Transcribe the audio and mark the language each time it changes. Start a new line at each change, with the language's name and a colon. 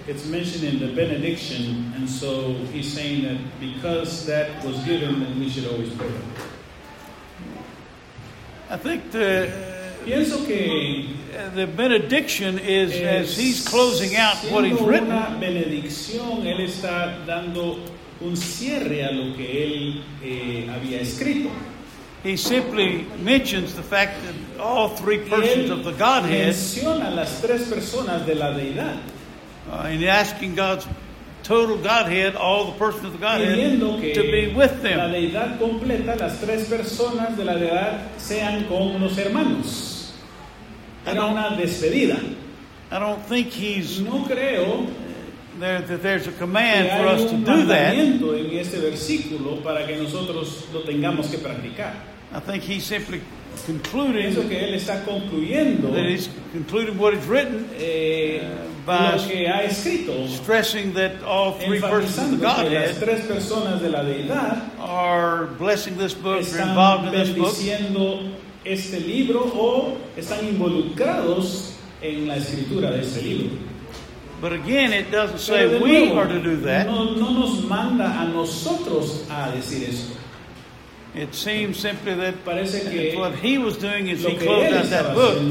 English: It's mentioned in the benediction, and so he's saying that because that was given, then we should always pray. I think the benediction is, as he's closing out what he's written.
Spanish: Una benedicción, él está dando un cierre a lo que él había escrito.
English: He simply mentions the fact that all three persons of the Godhead.
Spanish: Menciona las tres personas de la deidad.
English: And asking God's total Godhead, all the persons of the Godhead, to be with them.
Spanish: La deidad completa, las tres personas de la deidad sean con los hermanos. Era una despedida.
English: I don't think he's.
Spanish: No creo.
English: There's a command for us to do that.
Spanish: Hay un mandamiento en este versículo para que nosotros lo tengamos que practicar.
English: I think he's simply concluding.
Spanish: Eso que él está concluyendo.
English: That he's concluding what he's written by
Spanish: lo que ha escrito,
English: stressing that all three persons of the Godhead,
Spanish: las tres personas de la deidad,
English: are blessing this book,
Spanish: están
English: or involved in this book.
Spanish: Este libro o están involucrados en la escritura de este libro.
English: But again, it doesn't say we are to do that.
Spanish: No nos manda a nosotros a decir eso.
English: It seems simply that
Spanish: parece que
English: what he was doing is he closed out that book.